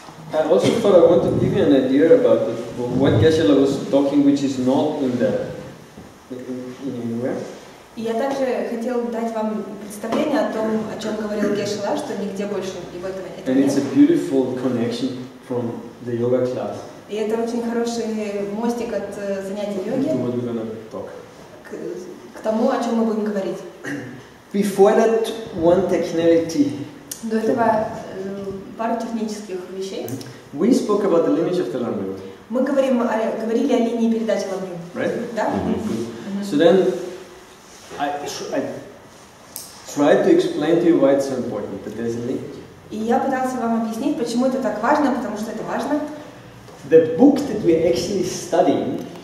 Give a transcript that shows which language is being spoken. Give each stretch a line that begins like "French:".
English: I also thought I want to give you an idea about what Geshe-la was talking, which is not in the in anywhere.
Russian: Я также хотел дать вам представление о том, о чем говорил Geshe-la, что нигде больше его этого нет.
English: And it's a beautiful connection from the yoga class.
Russian: И это очень хороший мостик от занятий йоги.
English: To what we're gonna talk.
Russian: К тому, о чем мы будем говорить.
English: Before that, one technicality.
Russian: До этого. пару технических вещей.
English: We spoke about the limits of the land grid.
Russian: Мы говорили о линии передачи land grid.
English: Right?
Russian: Да?
English: So then I tried to explain to you why it's so important that there's a link.
Russian: И я пытался вам объяснить, почему это так важно, потому что это важно.
English: The book that we actually studying.